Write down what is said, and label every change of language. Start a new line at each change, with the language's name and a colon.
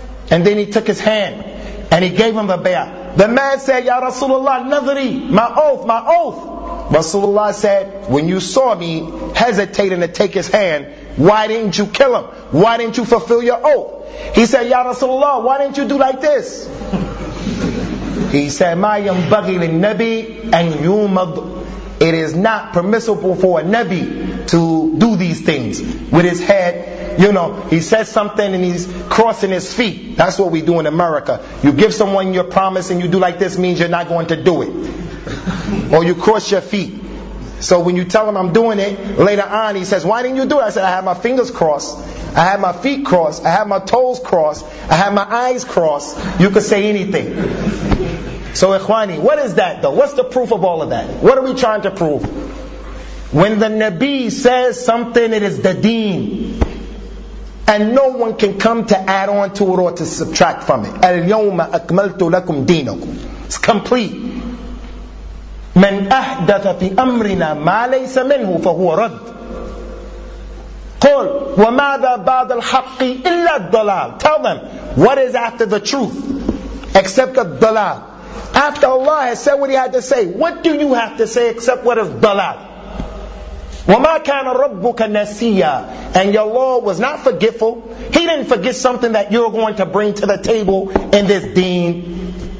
English: And then he took his hand and he gave him the bay'ah. The man said, Ya Rasulullah, nadri, my oath, my oath. Rasulullah said, when you saw me hesitating to take his hand, why didn't you kill him? Why didn't you fulfill your oath? He said, Ya Rasulullah, why didn't you do like this? He said,
Arabic: ما ينبغي للنبي أن يومض.
English: It is not permissible for a Nabi to do these things with his head. You know, he says something and he's crossing his feet. That's what we do in America. You give someone your promise and you do like this means you're not going to do it. Or you cross your feet. So when you tell him I'm doing it, later on he says, why didn't you do it? I said, I have my fingers crossed. I have my feet crossed. I have my toes crossed. I have my eyes crossed. You could say anything. So Ikhwani, what is that though? What's the proof of all of that? What are we trying to prove? When the Nabi says something, it is the deen. And no one can come to add on to it or to subtract from it.
Arabic: Al-yawma akmaltu lakum deenakum.
English: It's complete.
Arabic: من أحدث في أمرنا ما ليس منه فهو رد قل وماذا بعد الحق إلا الضلال.
English: Tell them, what is after the truth except the dalal? After Allah has said what he had to say, what do you have to say except what is dalal?
Arabic: وما كان ربك نسيا.
English: And your Lord was not forgetful. He didn't forget something that you're going to bring to the table in this deen.